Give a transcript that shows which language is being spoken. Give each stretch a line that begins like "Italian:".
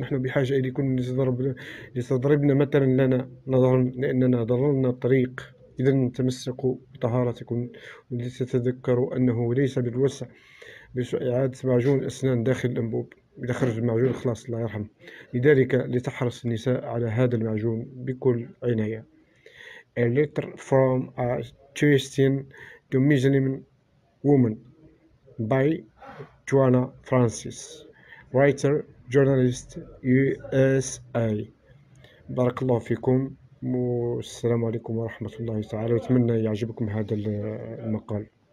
Arabic: نحن بحاجة إليكن لتضربن مثلا لنا، نظرا لأننا ضللنا الطريق. إذا تمسكوا بطهارتكم، ولتتذكروا أنه ليس بالوسع بإعادة معجون أسنان داخل الأنبوب، إذا خرج المعجون خلاص الله يرحم. لذلك لتحرص النساء على هذا المعجون بكل عناية.
English: A letter from a Christian to Muslim woman by Joanna Francis, writer, journalist, USA.
Arabic: بارك الله فيكم، والسلام عليكم ورحمة الله تعالى، وأتمنى يعجبكم هذا المقال.